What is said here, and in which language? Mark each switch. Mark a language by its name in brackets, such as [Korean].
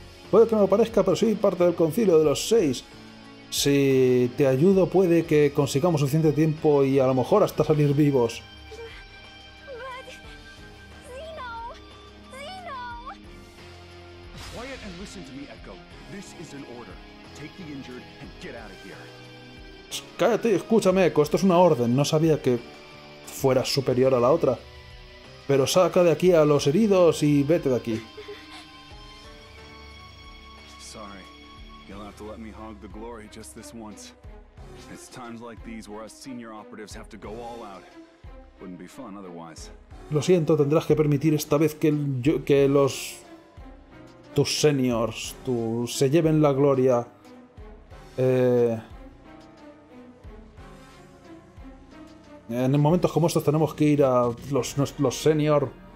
[Spanish] Puede que no lo parezca, pero soy parte del Concilio de los Seis. Si te ayudo, puede que consigamos suficiente tiempo y a lo mejor hasta salir vivos. [English] Quiet and listen to me, Echo. This is an order. Take the injured and get out of here. [Spanish] Cállate, escúchame, Eco. Esto es una orden. No sabía que fuera superior a la otra. Pero saca de aquí a los heridos y vete de aquí. [English] Sorry. You'll have to let me hog the glory just this once. It's times like these where us senior operatives have to go all out. Wouldn't be fun otherwise. [Spanish] Lo siento, tendrás que permitir esta vez que yo, que los tus seniors tu, se lleven la gloria. En momentos como estos tenemos que ir a los senior.